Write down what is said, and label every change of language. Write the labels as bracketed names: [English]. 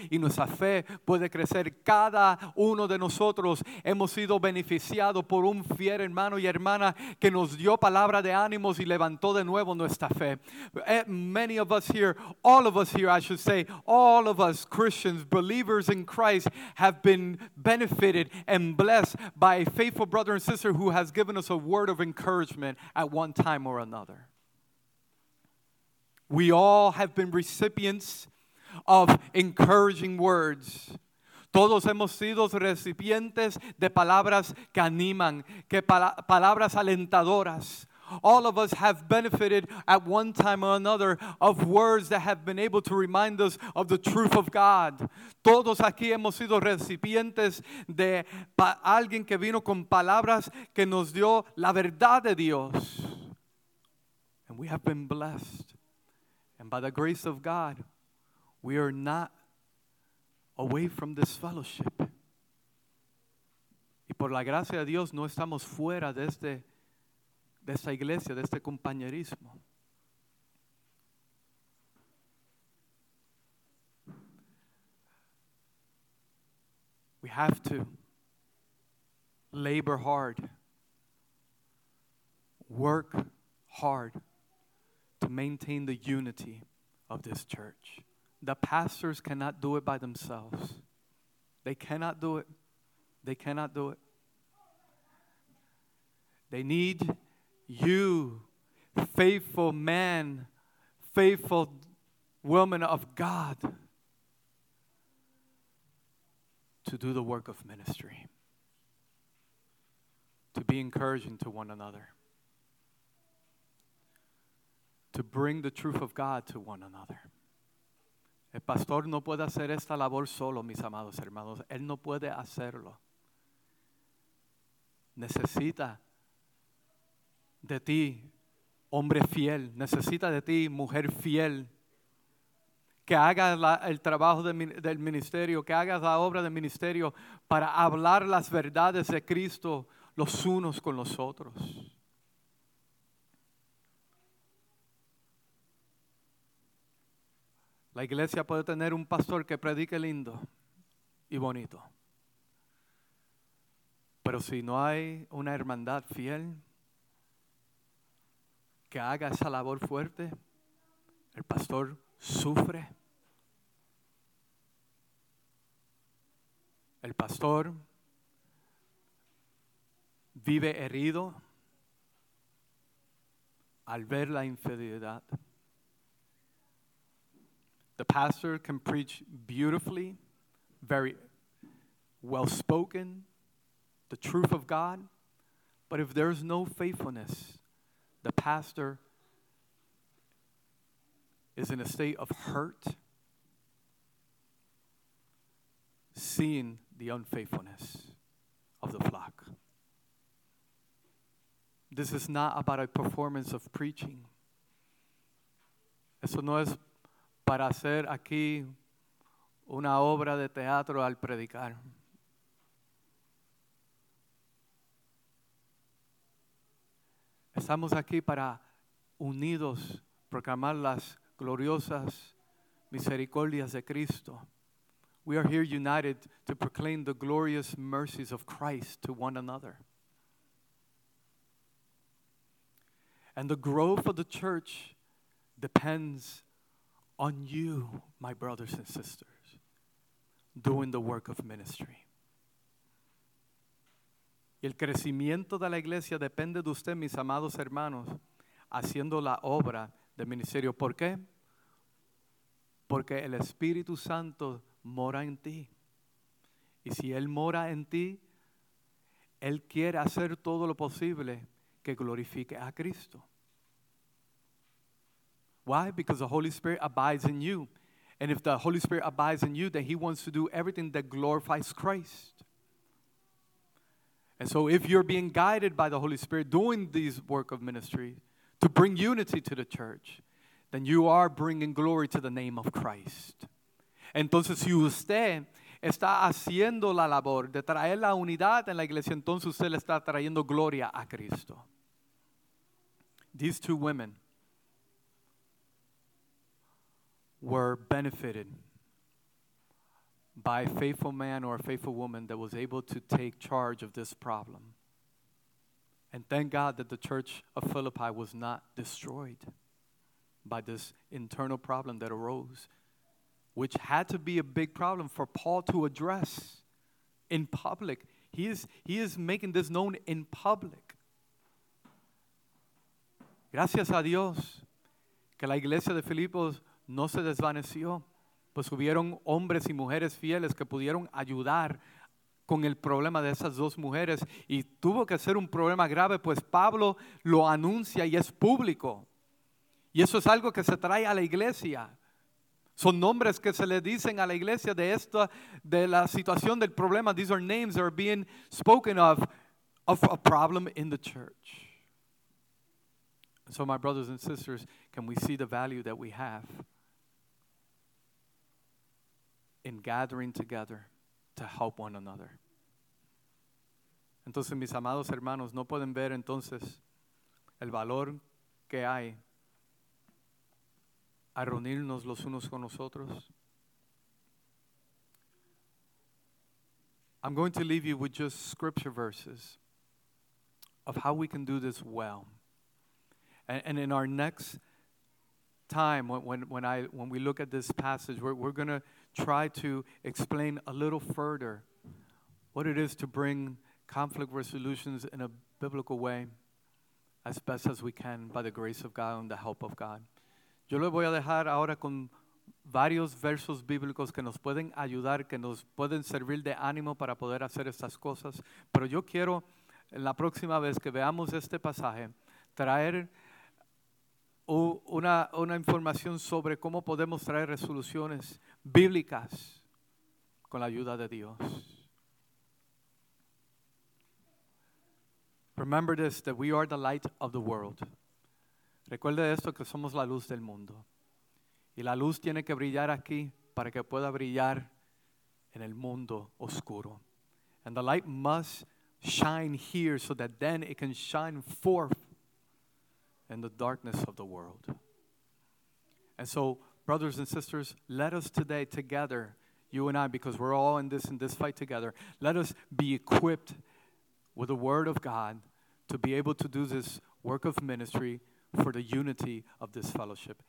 [Spanish] Y nuestra fe puede crecer. Cada uno de nosotros hemos sido beneficiados por un fiel hermano y hermana que nos dio palabra de ánimos y levantó de nuevo nuestra fe. [English] Many of us here, all of us here, I should say, all of us Christians, believers in Christ, have been benefited and blessed by a faithful brother and sister who has given us a word of encouragement at one time or another. We all have been recipients of encouraging words. [Spanish] Todos hemos sido recipientes de palabras que animan, que palabras alentadoras. [English] All of us have benefited at one time or another of words that have been able to remind us of the truth of God. [Spanish] Todos aquí hemos sido recipientes de alguien que vino con palabras que nos dio la verdad de Dios. [English] And we have been blessed. And by the grace of God, we are not away from this fellowship. [Spanish] Y por la gracia de Dios, no estamos fuera de este de esta iglesia, de este compañerismo. [English] We have to labor hard, work hard to maintain the unity of this church. The pastors cannot do it by themselves. They cannot do it. They cannot do it. They need you, faithful man, faithful woman of God, to do the work of ministry, to be encouraging to one another, to bring the truth of God to one another. [Spanish] El pastor no puede hacer esta labor solo, mis amados hermanos. Él no puede hacerlo. Necesita de ti, hombre fiel, necesita de ti, mujer fiel, que hagas el trabajo del ministerio, que hagas la obra del ministerio para hablar las verdades de Cristo los unos con los otros. La iglesia puede tener un pastor que predique lindo y bonito, pero si no hay una hermandad fiel que haga esa labor fuerte, el pastor sufre. El pastor vive herido al ver la infidelidad. [English] The pastor can preach beautifully, very well spoken, the truth of God, but if there's no faithfulness, the pastor is in a state of hurt, seeing the unfaithfulness of the flock. This is not about a performance of preaching. [Spanish] Eso no es para hacer aquí una obra de teatro al predicar. Estamos aquí para unidos proclamar las gloriosas misericordias de Cristo, [English] We are here united to proclaim the glorious mercies of Christ to one another. And the growth of the church depends on you, my brothers and sisters, doing the work of ministry. [Spanish] Y el crecimiento de la iglesia depende de usted, mis amados hermanos, haciendo la obra del ministerio. ¿Por qué? Porque el Espíritu Santo mora en ti. Y si Él mora en ti, Él quiere hacer todo lo posible que glorifique a Cristo. [English] Why? Because the Holy Spirit abides in you. And if the Holy Spirit abides in you, then He wants to do everything that glorifies Christ. And so if you're being guided by the Holy Spirit doing this work of ministry to bring unity to the church, then you are bringing glory to the name of Christ. [Spanish] Entonces, si usted está haciendo la labor de traer la unidad en la iglesia, entonces usted le está trayendo gloria a Cristo. [English] These two women were benefited by a faithful man or a faithful woman that was able to take charge of this problem. And thank God that the church of Philippi was not destroyed by this internal problem that arose, which had to be a big problem for Paul to address in public. He is making this known in public. [Spanish] Gracias a Dios que la iglesia de Filipos no se desvaneció, pues hubieron hombres y mujeres fieles que pudieron ayudar con el problema de esas dos mujeres, y tuvo que ser un problema grave, pues Pablo lo anuncia y es público. Y eso es algo que se trae a la iglesia. Son nombres que se le dicen a la iglesia de esta, de la situación del problema. [English] These are names that are being spoken of a problem in the church. So my brothers and sisters, can we see the value that we have in gathering together to help one another? [Spanish] Entonces, mis amados hermanos, no pueden ver entonces el valor que hay a reunirnos los unos con los otros. [English] I'm going to leave you with just scripture verses of how we can do this well. And in our next time, when we look at this passage, we're going to try to explain a little further what it is to bring conflict resolutions in a biblical way as best as we can by the grace of God and the help of God. [Spanish] Yo le voy a dejar ahora con varios versos bíblicos que nos pueden ayudar, que nos pueden servir de ánimo para poder hacer estas cosas. Pero yo quiero, en la próxima vez que veamos este pasaje, traer una información sobre cómo podemos traer resoluciones bíblicas con la ayuda de Dios. [English] Remember this, that we are the light of the world. [Spanish] Recuerde esto, que somos la luz del mundo. Y la luz tiene que brillar aquí para que pueda brillar en el mundo oscuro. [English] And the light must shine here so that then it can shine forth in the darkness of the world. And so, brothers and sisters, let us today together, you and I, because we're all in this fight together, let us be equipped with the word of God to be able to do this work of ministry for the unity of this fellowship.